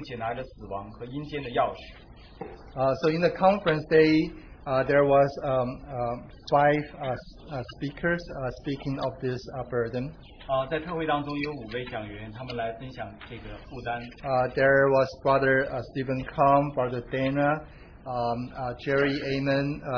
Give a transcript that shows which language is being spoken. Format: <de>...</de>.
<zh>他用右手按着我说不要惧怕我是首先的我是幕后的又是那存活的我曾死过现在又活了只活到永永远远并且拿着死亡和阴间的钥匙</zh> <en>So in the conference day there was five speakers speaking of this burden.</en> <zh>在特会当中有五位讲员，他们来分享这个负担。</zh> <en>There was Brother Stephen Kong, Brother Dana, Jerry Amen.</en>